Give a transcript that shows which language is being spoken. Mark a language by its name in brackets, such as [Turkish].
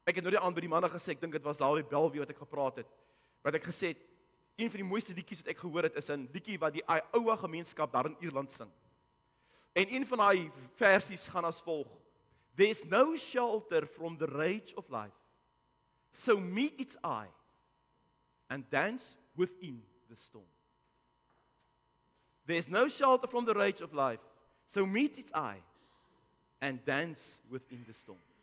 [Afrikaans] Ek het nou die aand by die manne gesê, ek dink dit was daardie Belwee wat ek gepraat het, wat ek gesê het, een van die mooiste liedjies wat ek gehoor het, is 'n liedjie wat die Iowa gemeenskap daar in Ierland sing. En een van die versies gaan as volg. [English] There's no shelter from the rage of life. So meet its eye and dance within the storm. There's no shelter from the rage of life. So meet its eye and dance within the storm.